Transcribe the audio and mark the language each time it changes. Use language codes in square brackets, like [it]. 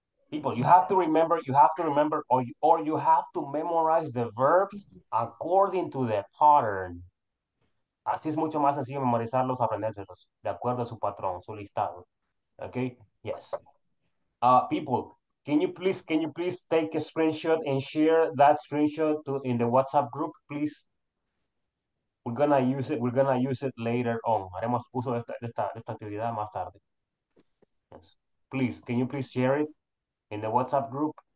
[en] People, you have to remember, or you have to memorize the verbs according to the pattern. [es] Así es mucho más sencillo memorizarlos, aprendérselos, de acuerdo a su patrón, su listado. [en] Okay? Yes. People, can you please take a screenshot and share that screenshot in the WhatsApp group, please? We're gonna use it later on. [es] Haremos uso de esta actividad más tarde. [en] Yes. Please, can you please share it? In the WhatsApp group.